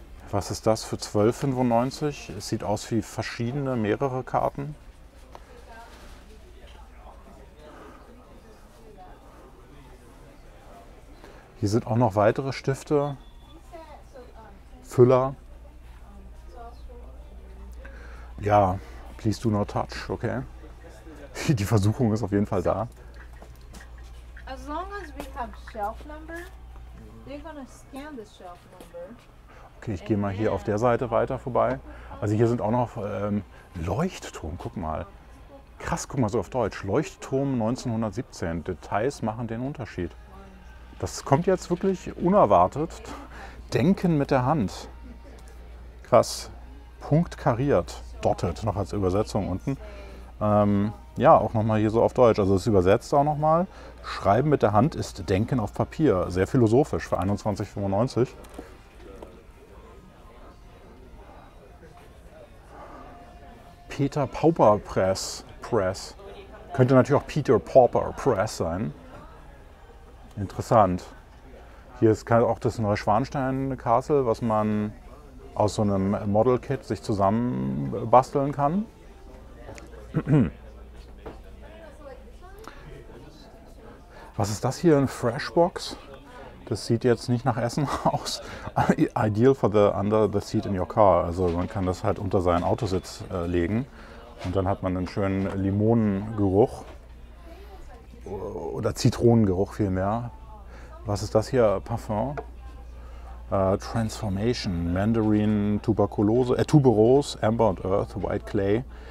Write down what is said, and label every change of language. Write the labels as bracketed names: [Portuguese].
[German] Was ist das für 12,95? Es sieht aus wie verschiedene, mehrere Karten. Hier sind auch noch weitere Stifte, Füller. [English] Ja, please do not touch, okay? [German] die Versuchung ist auf jeden Fall da. [English] As long as we have shelf number, they're gonna scan the shelf number. [German] Okay, ich gehe mal hier auf der Seite weiter vorbei. Also hier sind auch noch Leuchtturm, guck mal. Krass, guck mal so auf Deutsch. Leuchtturm 1917. Details machen den Unterschied. Das kommt jetzt wirklich unerwartet. Denken mit der Hand. Krass. Punktkariert. Dotted noch als Übersetzung unten. Ja, auch nochmal hier so auf Deutsch. Also es übersetzt auch nochmal. Schreiben mit der Hand ist Denken auf Papier. Sehr philosophisch für 21,95. Peter Pauper Press. Press. Könnte natürlich auch Peter Pauper Press sein. Interessant. Hier ist auch das Neuschwanstein-Castle, was man aus so einem Model-Kit sich zusammenbasteln kann. Was ist das hier? Ein Freshbox? Das sieht jetzt nicht nach Essen aus. [English] Ideal for the under the seat in your car. [German] Also man kann das halt unter seinen Autositz legen. Und dann hat man einen schönen Limonengeruch. Oder Zitronengeruch vielmehr. Was ist das hier? Parfum? Transformation. Mandarin, Tuberose, Amber und Earth, White Clay.